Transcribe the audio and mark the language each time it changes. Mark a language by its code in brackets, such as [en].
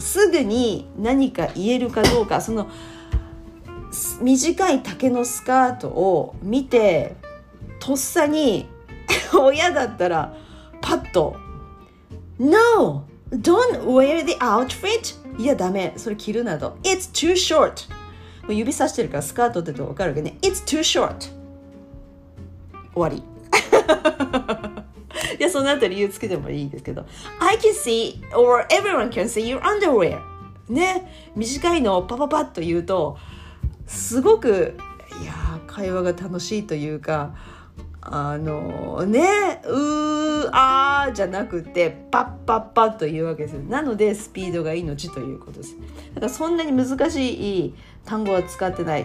[ja] すぐに何か言えるかどうか、その短い丈のスカートを見て、とっさに親だったらパッと No! [en] Don't wear the outfit! [ja] いや、ダメ。それ着るなど。 [en] It's too short! [ja] もう指さしてるからスカートってと分かるわけね。 [en] It's too short! 終わり。 [ja] いや、その後理由つけてもいいですけど。 [en] I can see, or everyone can see your underwear! [ja] ね。短いのをパパパッと言うと、すごく、いや、会話が楽しいというか、ね、うーあーじゃなくてパッパッパッというわけです。なのでスピードが命ということです。だからそんなに難しい単語は使ってない。